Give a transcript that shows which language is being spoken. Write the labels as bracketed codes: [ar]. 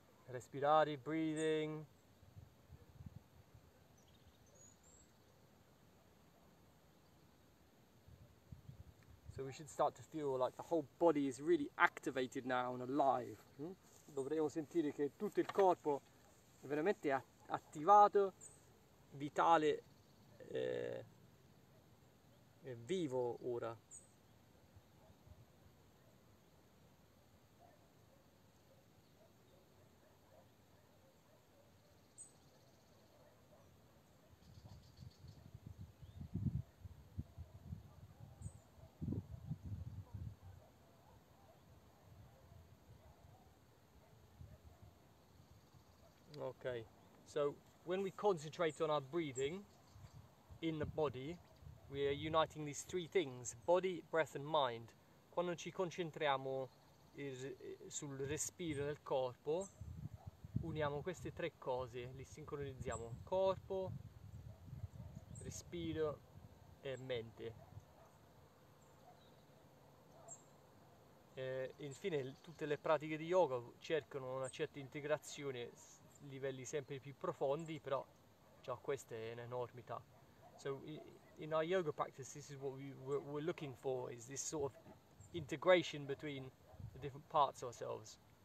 [it] Respirare, breathing. [en] So we should start to feel like the whole body is really activated now and alive. [it] Dovremmo sentire che tutto il corpo è veramente attivato, vitale e vivo ora. [en] Okay, so when we concentrate on our breathing in the body, we are uniting these three things: body, breath and mind. [it] Quando ci concentriamo sul respiro del corpo, uniamo queste tre cose, li sincronizziamo: corpo, respiro e mente. E infine, tutte le pratiche di yoga cercano una certa integrazione, livelli sempre più profondi, però già questa è un'enormità. [en] So in our yoga practice, this is what we're looking for, is this sort of integration between the different parts of ourselves.